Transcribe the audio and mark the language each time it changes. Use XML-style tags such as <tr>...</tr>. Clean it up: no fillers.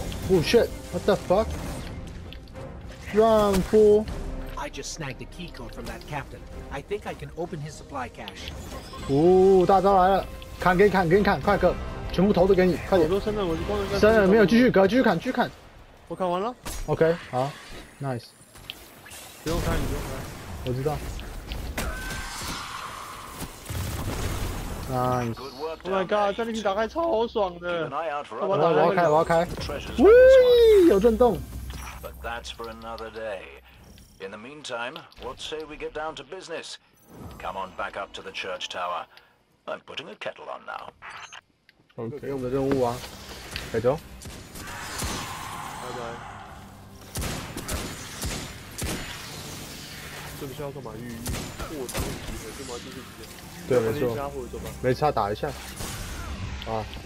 <en>哦 shit! What the fuck? Run, fool! I just snagged a key code from that captain. I think I can open his supply cache.</en> <zh>哦，大招来了！砍给你砍，给你砍，快哥，全部投都给你，快点！我都升了，我就光能干。升了没有？继续哥，继续砍，继续砍。我砍完了。</zh> <en>OK， 好 ，Nice。</en> <zh>不用砍，你不用砍。我知道。</zh> <en>Nice。 Oh my god，</en> <zh>战利品打开超爽的。我要开。喂，有震动。</zh> <en>But that's for another day. In the meantime, what say we get down to business? Come on back up to the church tower. I'm putting a kettle on now.</en> <zh>OK， 我们的任务啊，开走。拜拜。这个是要干嘛？与破仓集合，干嘛？就是直接。对，没错。家伙走吧。没差，打一下。啊！</zh>